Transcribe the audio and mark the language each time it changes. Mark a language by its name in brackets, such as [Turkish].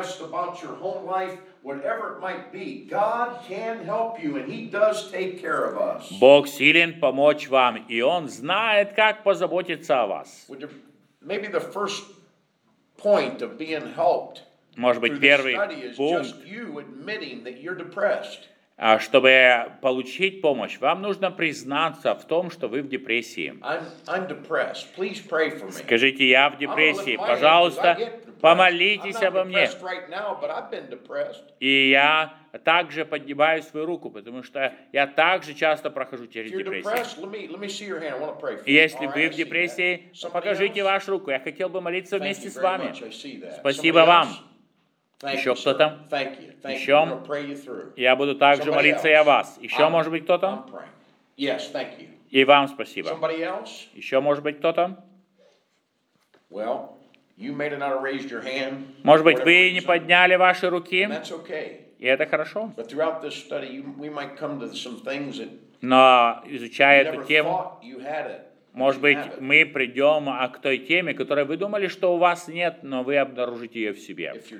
[English] Whatever it might be, God can help you, and He does take care of us. [Russian] Бог силен помочь вам, и Он знает, как позаботиться о вас. [English] Maybe the first point of being helped through the study is just you admitting that you're depressed. [Russian] Чтобы получить помощь, вам нужно признаться в том, что вы в депрессии. [English] I'm depressed. Please pray for me. [Russian] Скажите, я в депрессии, пожалуйста. Помолитесь обо мне. [English] Right now, [Russian] и я также поднимаю свою руку, потому что я также часто прохожу через депрессию. Если вы в депрессии, покажите вашу руку. Я хотел бы молиться [English] Thank [Russian] вместе с вами. [English] Much, [Russian] спасибо вам. Еще кто там? Еще? Я буду также молиться и о вас. Еще может быть кто-то? [English] Yes, thank you. [Russian] И вам спасибо. [English] Somebody else? [Russian] Еще может быть кто-то? [English] Well, you may not have raised your hand. [Russian] Может быть, вы не подняли ваши руки? [English] And that's okay. [Russian] И это хорошо. [English] But throughout this study, we might come to some things that. [Russian] Но изучая эту тему, может быть, мы придем к той теме, которой вы думали, что у вас нет, но вы обнаружите ее в себе.